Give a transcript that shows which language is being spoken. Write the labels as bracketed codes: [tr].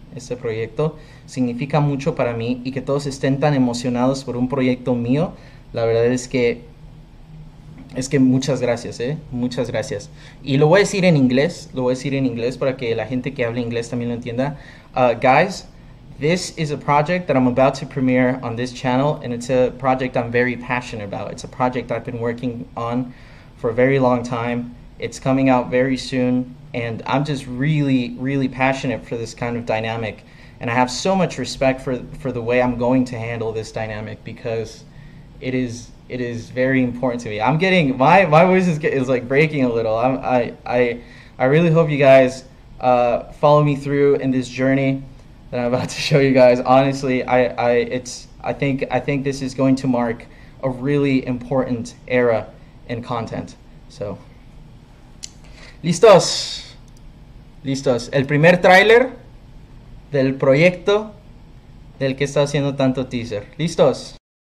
[es] Este proyecto significa mucho para mí y que todos estén tan emocionados por un proyecto mío, la verdad es que muchas gracias, ¿eh? Muchas gracias. Y lo voy a decir en inglés, lo voy a decir en inglés para que la gente que habla inglés también lo entienda. Guys, [en] This is a project that I'm about to premiere on this channel, and it's a project I'm very passionate about. It's a project I've been working on for a very long time. It's coming out very soon, and I'm just really, really passionate for this kind of dynamic. And I have so much respect for the way I'm going to handle this dynamic, because it is very important to me. I'm getting, my voice is like breaking a little. I really hope you guys follow me through in this journey that I'm about to show you guys. Honestly, I think this is going to mark a really important era in content. [es] So, listos, listos. El primer tráiler del proyecto del que está haciendo tanto teaser. Listos.